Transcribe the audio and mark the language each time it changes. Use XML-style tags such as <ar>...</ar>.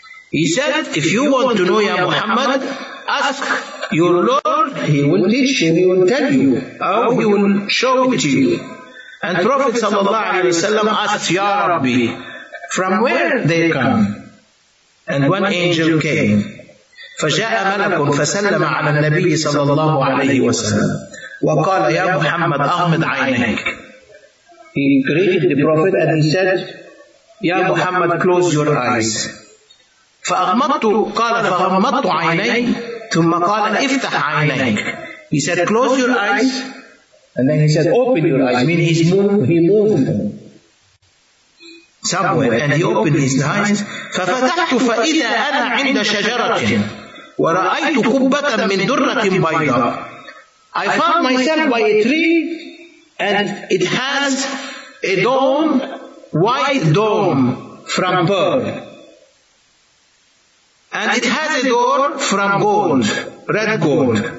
<en>He said, if you want to know, Ya Muhammad, ask your Lord, He will teach you, He will tell you, or He will show it to you. And Prophet sallallahu alayhi wa sallam asked, Ya Rabbi, from where they come? And one angel came.</en> <ar>فجاء ملك فسلم على النبي صلى الله عليه وسلم وقال يا محمد أغمض عينيك.</ar> <en>He greeted the Prophet and he said,</en> <ar>يا محمد</ar> <en>close your eyes.</en> <ar>فأغمضت قال فغمضت عيني ثم قال افتح عينيك.</ar> <en>He said close your eyes and then he said open your eyes. I mean he moved somewhere and he opened his eyes.</en> <ar>ففتحت فإذا أنا عند شجرة ورأيت قبة من درة بيضاء.</ar> <en>I found myself by a tree and it has a dome white dome from pearl. And it has a door from gold, red gold.</en>